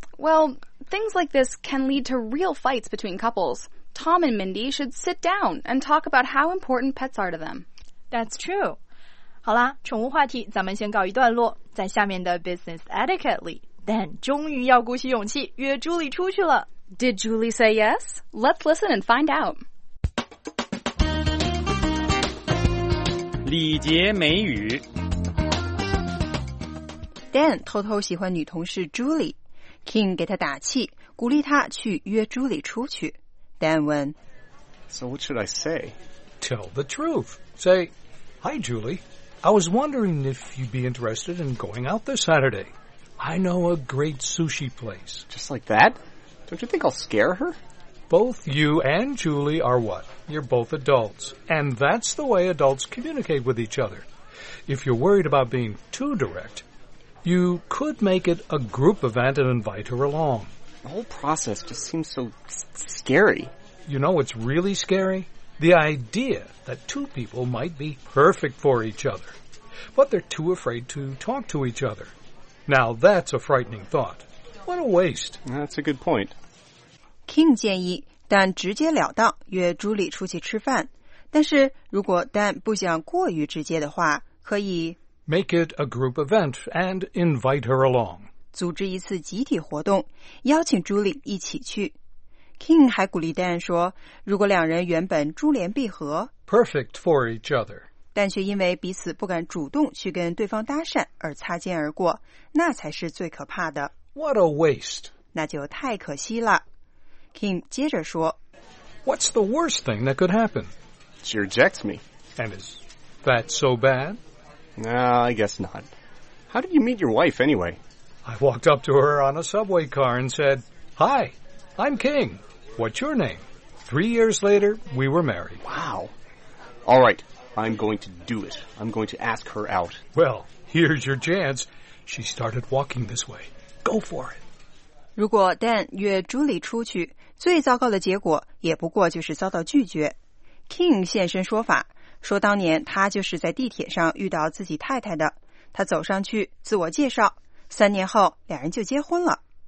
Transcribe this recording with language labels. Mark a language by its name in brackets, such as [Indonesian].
[English] Well, things like this can lead to real fights between couples. Tom and Mindy should sit down and talk about how important pets are to them. That's true. [Chinese] 好啦，宠物话题咱们先告一段落，在下面的 business etiquette 里 Dan 终于要鼓起勇气约 Julie 出去了。 [English] Did Julie say yes? Let's listen and find out. [Chinese] 礼节美语。 Dan 偷偷喜欢女同事 Julie. King 给他打气，鼓励他去约 Julie 出去。 Dan 问 [English] So what should I say? Tell the truth. Say, Hi Julie, I was wondering if you'd be interested in going out this Saturday. I know a great sushi place. Just like that? Don't you think I'll scare her? Both you and Julie are what? You're both adults. And that's the way adults communicate with each other. If you're worried about being too direct, you could make it a group event and invite her along. The whole process just seems so scary. You know what's really scary? The idea that two people might be perfect for each other. But they're too afraid to talk to each other. Now that's a frightening thought. What a waste. That's a good point. [Chinese] King 建议 Dan 直截了当约 Julie 出去吃饭，但是如果 Dan 不想过于直接的话，可以 [English] make it a group event and invite her along. [Chinese] 组织一次集体活动，邀请 Julie 一起去。 King 还鼓励 Dan 说，如果两人原本珠联璧合 [English] perfect for each other， [Chinese] 但却因为彼此不敢主动去跟对方搭讪而擦肩而过，那才是最可怕的。 [English] What a waste. [Chinese] 那就太可惜了。King 接着说 [English] What's the worst thing that could happen? She rejects me. And is that so bad? Nah, I guess not. How did you meet your wife anyway? I walked up to her on a subway car and said, Hi, I'm King. What's your name? 3 years later, we were married. Wow. All right, I'm going to do it. I'm going to ask her out. Well, here's your chance. She started walking this way. Go for it. [Chinese] 如果 Dan 约 Julie 出去，最糟糕的结果也不过就是遭到拒绝。 King 现身说法，说当年他就是在地铁上遇到自己太太的，他走上去自我介绍，三年后两人就结婚了。